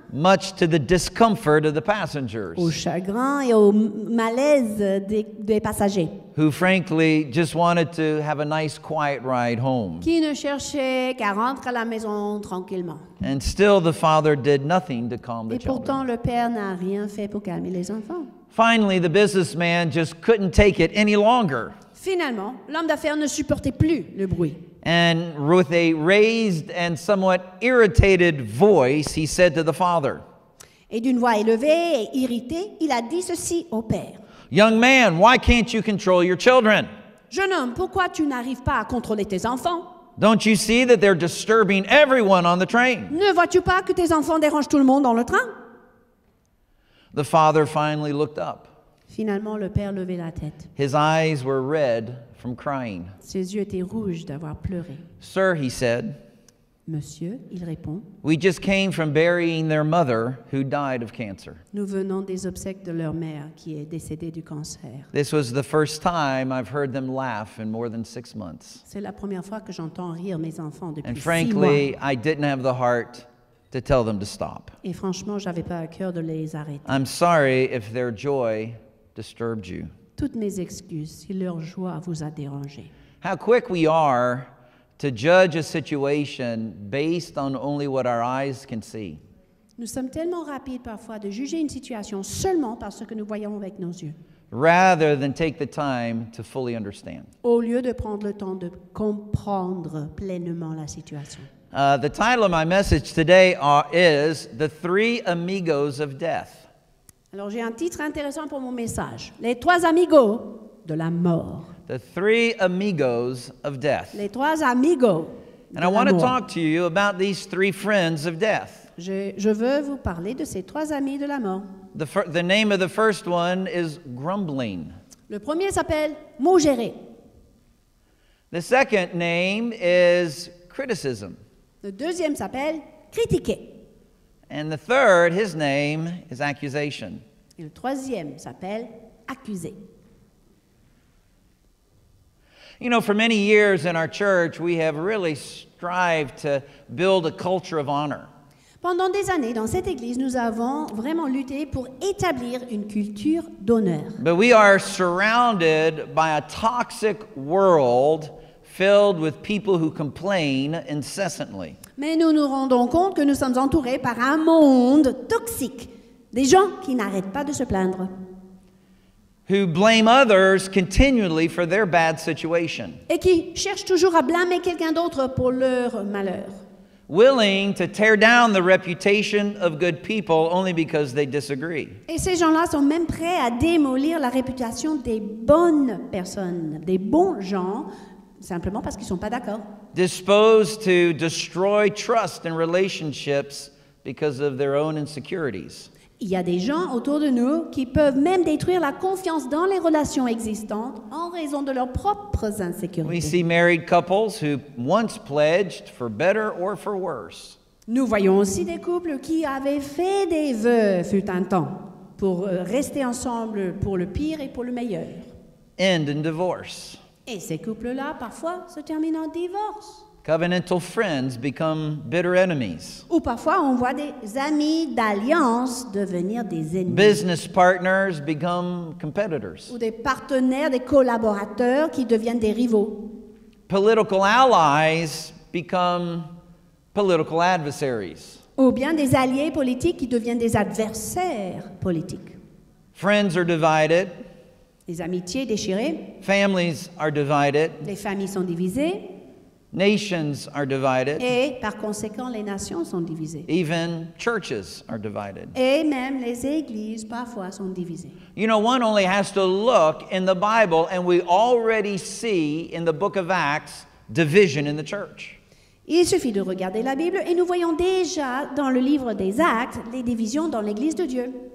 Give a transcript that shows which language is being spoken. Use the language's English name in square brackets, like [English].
[English] Much to the discomfort of the passengers. [French] Au chagrin et au malaise des passagers. [English] Who frankly just wanted to have a nice quiet ride home. [French] Qui ne cherchait qu'à rentrer à la maison tranquillement. [English] And still the father did nothing to calm the children. [French] Et pourtant le père n'a rien fait pour calmer les enfants. [English] Finally, the businessman just couldn't take it any longer. [French] Finalement, l'homme d'affaires ne supportait plus le bruit. [English] And with a raised and somewhat irritated voice, he said to the father. [French] Et d'une voix élevée et irritée, il a dit ceci au père. [English] Young man, why can't you control your children? [French] Jeune homme, pourquoi tu n'arrives pas à contrôler tes enfants? [English] Don't you see that they're disturbing everyone on the train? [French] Ne vois-tu pas que tes enfants dérangent tout le monde dans le train? [English] The father finally looked up. [French] Finalement, le père levait la tête. [English] His eyes were red from crying. [French] Ses yeux étaient rouges d'avoir pleuré. [English] Sir, he said. [French] Monsieur, il répond. [English] We just came from burying their mother who died of cancer. [French] Nous venons des obsèques de leur mère qui est décédée du cancer. [English] This was the first time I've heard them laugh in more than 6 months. [French] C'est la première fois que j'entends rire mes enfants depuis 6 mois. [English] And frankly, I didn't have the heart to tell them to stop. [French] Et franchement, j'avais pas à cœur de les arrêter. [English] I'm sorry if their joy disturbed you. [French] Toutes mes excuses si leur joie vous a dérangé. [English] How quick we are to judge a situation based on only what our eyes can see. [French] Nous sommes tellement rapides parfois de juger une situation seulement par ce que nous voyons avec nos yeux. [English] Rather than take the time to fully understand. [French] Au lieu de prendre le temps de comprendre pleinement la situation. [English] The title of my message today is The Three Amigos of Death. [French] Alors j'ai un titre intéressant pour mon message. Les trois amigos de la mort. [English] The Three Amigos of Death. [French] Les trois amigos [English] And I want to talk to you about these three friends of death. [French] Je veux vous parler de ces trois amis de la mort. [English] The name of the first one is grumbling. [French] Le premier s'appelle maugréer. [English] The second name is criticism. [French] Le deuxième s'appelle critiquer. [English] And the third, his name is accusation. [French] Et le troisième s'appelle accuser. [English] You know, for many years in our church, we have really strived to build a culture of honor. [French] Pendant des années, dans cette église, nous avons vraiment lutté pour établir une culture d'honneur. [English] But we are surrounded by a toxic world filled with people who complain incessantly. [French] Mais nous nous rendons compte que nous sommes entourés par un monde toxique, des gens qui n'arrêtent pas de se plaindre. [English] Who blame others continually for their bad situation. [French] Et qui cherchent toujours à blâmer quelqu'un d'autre pour leur malheur. [English] Willing to tear down the reputation of good people only because they disagree. [French] Et ces gens-là sont même prêts à démolir la réputation des bonnes personnes, des bons gens, simplement parce qu'ils ne sont pas d'accord. [English] Disposed to destroy trust in relationships because of their own insecurities. [French] Il y a des gens autour de nous qui peuvent même détruire la confiance dans les relations existantes en raison de leurs propres insécurités. [English] We see married couples who once pledged for better or for worse. [French] Nous voyons aussi des couples qui avaient fait des vœux, fut un temps, pour rester ensemble pour le pire et pour le meilleur. [English] End in divorce. [French] Et ces couples-là, parfois, se terminent en divorce. [English] Covenantal friends become bitter enemies. [French] Ou parfois, on voit des amis d'alliance devenir des ennemis. [English] Business partners become competitors. [French] Ou des partenaires, des collaborateurs qui deviennent des rivaux. [English] Political allies become political adversaries. [French] Ou bien des alliés politiques qui deviennent des adversaires politiques. [English] Friends are divided. [French] Les amitiés déchirées. [English] Families are divided. [French] Les familles sont divisées. [English] Nations are divided. [French] Et par conséquent, les nations sont divisées. [English] Even churches are divided. [French] Et même les églises parfois sont divisées. [English] You know, one only has to look in the Bible, and we already see in the book of Acts division in the church. [French] Il suffit de regarder la Bible, et nous voyons déjà dans le livre des Actes les divisions dans l'église de Dieu.